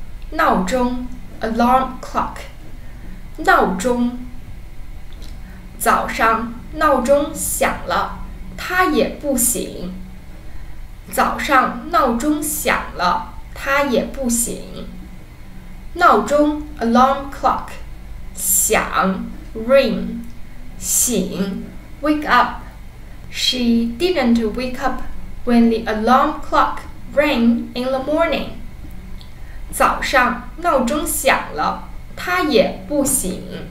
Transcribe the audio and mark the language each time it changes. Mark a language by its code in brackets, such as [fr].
[en] 闹钟 alarm clock. [zh] 闹钟早上闹钟响了他也不醒。早上闹钟响了他也不醒。 [en] 闹钟 alarm clock. 响 ring 醒 wake up She didn't wake up when the alarm clock rang in the morning [zh] 早上闹钟响了她也不醒